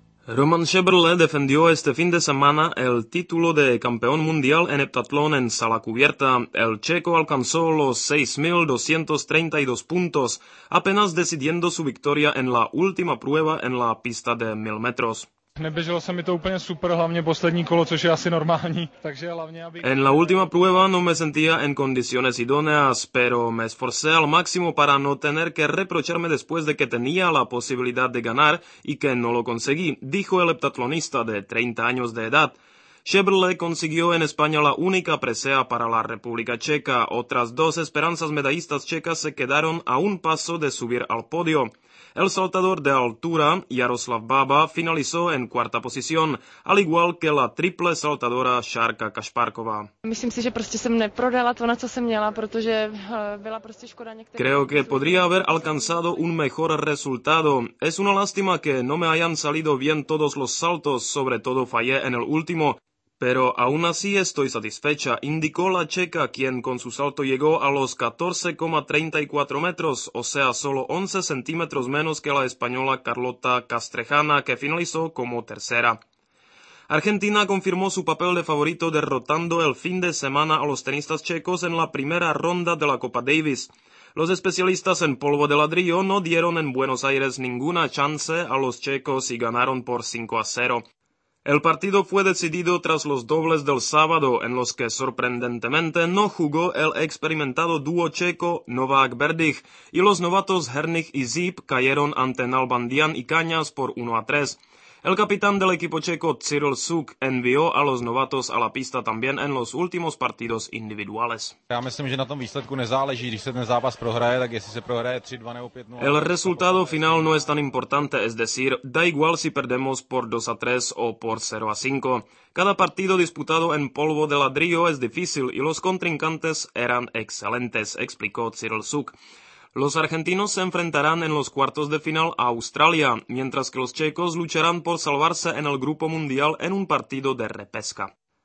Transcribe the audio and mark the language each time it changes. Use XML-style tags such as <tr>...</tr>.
<es>Roman Schäberle defendió este fin de semana el título de campeón mundial en heptatlón en sala cubierta. El checo alcanzó los 6.232 puntos, apenas decidiendo su victoria en la última prueba en la pista de 1.000 metros.</es> <cs>Neběželo se mi to úplně super, hlavně poslední kolo, což je asi normální, takže hlavně aby...</cs> <es>En la última prueba no me sentía en condiciones idóneas, pero me esforcé al máximo para no tener que reprocharme después de que tenía la posibilidad de ganar y que no lo conseguí, dijo el heptatlonista de 30 años de edad. Schebrle consiguió en España la única presea para la República Checa. Otras dos esperanzas medallistas checas se quedaron a un paso de subir al podio. El saltador de altura, Jaroslav Baba, finalizó en cuarta posición, al igual que la triple saltadora Šárka Kašpárková.</es> <cs>Myslím si, že prostě jsem neprodala to, na co jsem měla, protože byla prostě škoda některé...</cs> <es>Creo que podría haber alcanzado un mejor resultado. Es una lástima que no me hayan salido bien todos los saltos, sobre todo fallé en el último. Pero aún así estoy satisfecha, indicó la checa, quien con su salto llegó a los 14,34 metros, o sea, solo 11 centímetros menos que la española Carlota Castrejana, que finalizó como tercera. Argentina confirmó su papel de favorito derrotando el fin de semana a los tenistas checos en la primera ronda de la Copa Davis. Los especialistas en polvo de ladrillo no dieron en Buenos Aires ninguna chance a los checos y ganaron por 5-0. El partido fue decidido tras los dobles del sábado, en los que sorprendentemente no jugó el experimentado dúo checo Novák Berdych y los novatos Hernych y Zip cayeron ante Nalbandian y Cañas por 1-3. El capitán del equipo checo Cyril Suk envió a los novatos a la pista también en los últimos partidos individuales.</es> <cs>Ya myslím, že na tom výsledku nezáleží, když se ten zápas prohraje, tak jestli se prohraje 3-2 nebo 5-0.</cs> <es>El resultado final no es tan importante, es decir, da igual si perdemos por 2-3 o por 0-5. Cada partido disputado en polvo de ladrillo es difícil y los contrincantes eran excelentes, explicó Cyril Suk. Los argentinos se enfrentarán en los cuartos de final a Australia, mientras que los checos lucharán por salvarse en el grupo mundial en un partido de repesca.</es>